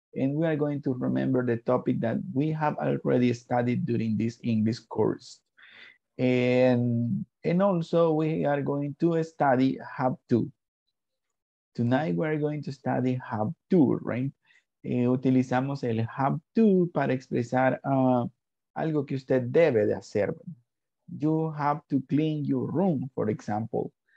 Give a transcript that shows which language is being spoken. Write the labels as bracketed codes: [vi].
[en] And we are going to remember the topic that we have already studied during this English course. And also, we are going to study have to. Tonight, we are going to study have to, right? [es] Utilizamos el have to para expresar algo que usted debe de hacer. [en] You have to clean your room, for example.